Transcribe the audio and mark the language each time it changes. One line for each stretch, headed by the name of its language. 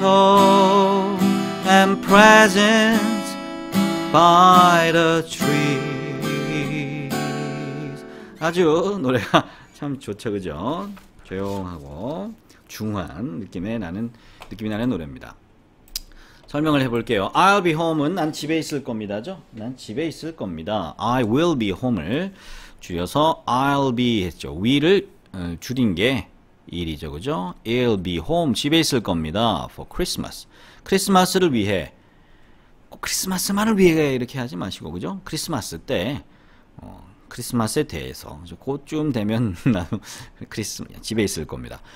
English: Mistletoe and presents by the trees.
Korean: 아주 노래가 참 좋죠, 그죠? 조용하고 중후한 느낌의 나는 느낌이 나는 노래입니다. 설명을 해볼게요.
English: I'll be home
Korean: 은 난 집에 있을 겁니다죠. 난 집에 있을 겁니다.
English: I will be home
Korean: 을 줄여서
English: I'll be
Korean: 했죠. will을 줄인 게 일이죠, 그죠?
English: It'll be home.
Korean: 집에 있을 겁니다.
English: For Christmas.
Korean: 크리스마스를 위해. 꼭 크리스마스만을 위해 이렇게 하지 마시고, 그죠? 크리스마스 때, 크리스마스에 대해서. 곧쯤 되면 나도 크리스마스, 집에 있을 겁니다.